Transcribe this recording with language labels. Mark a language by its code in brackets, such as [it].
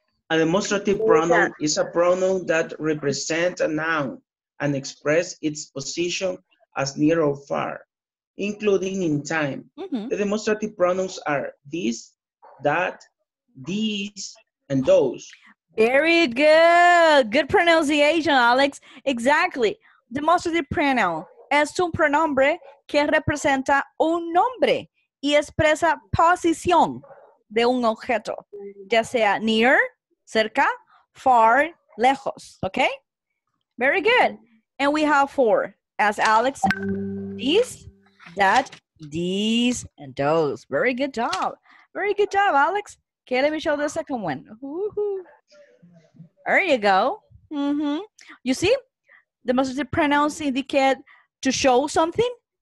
[en] A demonstrative pronoun is a pronoun that represents a noun and express its position as near or far, including in time. Mm-hmm. The demonstrative pronouns are this, that, these, and those. Very good. Good pronunciation, Alex. Exactly. [es] Demonstrative pronoun es un pronombre que representa un nombre y expresa posición de un objeto, ya sea near, cerca, far, lejos. [en] Okay? Very good. And we have four, as Alex said, these, that, these, and those. Very good job. Very good job, Alex. Okay, let me show the second one. Ooh-hoo. There you go. Mm-hmm. You see, the demonstrative pronouns indicate to show something.